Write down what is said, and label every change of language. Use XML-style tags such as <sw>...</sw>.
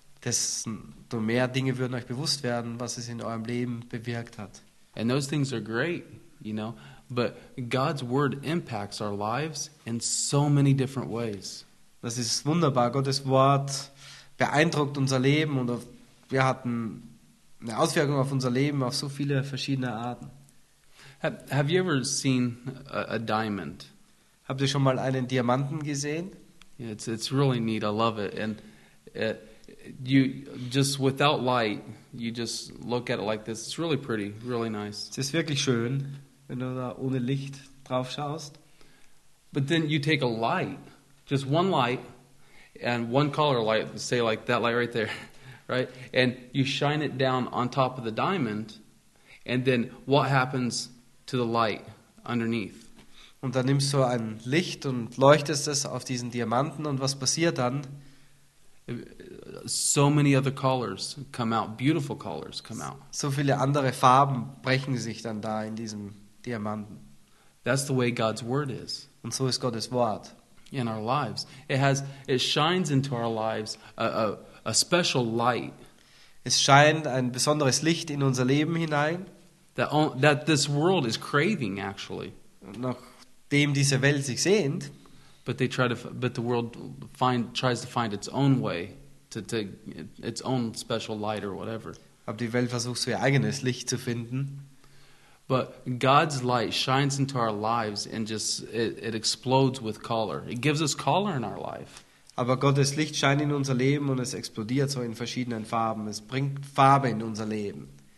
<de>Desto mehr Dinge würden euch bewusst werden, was es in eurem Leben bewirkt hat.</de> <en>And those things are great, you know, but God's word impacts our lives in so many different ways.</en> <de>Das ist wunderbar, Gottes Wort beeindruckt unser Leben und wir hatten eine Auswirkung auf unser Leben auf so viele verschiedene Arten.</de> <en>Have you ever seen a diamond?</en> <de>Habt ihr schon mal einen Diamanten gesehen?</de> <en>Yeah, it's really neat. I love it. And you just without light, you just look at it like this. It's really pretty, really nice.</en> <de>Es ist wirklich schön, wenn du da ohne Licht drauf schaust.</de> <en>But then you take a light, just one light. And one color light, say like that light right there, right? And you shine it down on top of the diamond, and then what happens to the light underneath?</en> <de>Und dann nimmst du ein Licht und leuchtest es auf diesen Diamanten, und was passiert dann?</de> <en>So many other colors come out, beautiful colors come out.</en> <de>So viele andere Farben brechen sich dann da in diesem Diamanten.</de> <en>That's the way God's word is.</en> <de>Und so ist Gottes Wort.</de> <en>In our lives, it shines into our lives a special light.</en> <de>Es scheint ein besonderes Licht in unser Leben hinein.</de> <en>That this world is craving, actually.</en> <de>Nach dem diese Welt sich sehnt.</de> <en>But the world tries to find its own way to its own special light or whatever.</en> <de>Aber die Welt versucht so ihr eigenes Licht zu finden.</de> <en>But God's light shines into our lives and just it explodes with color. It gives us color in our life.</en> <de>Aber Gottes Licht scheint in unser Leben und es explodiert so in verschiedenen Farben. Es bringt Farbe in unser Leben.</de>